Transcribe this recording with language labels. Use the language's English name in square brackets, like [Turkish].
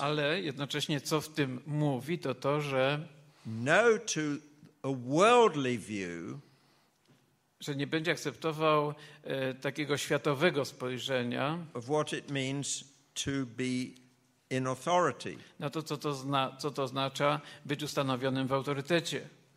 [Polish] ale jednocześnie co w tym mówi, to to, że [English] no to a worldly view, [Polish] że nie będzie akceptował takiego światowego spojrzenia [English] of what it means to be in authority. [Polish] Na to, co to oznacza być ustanowionym w autorytecie.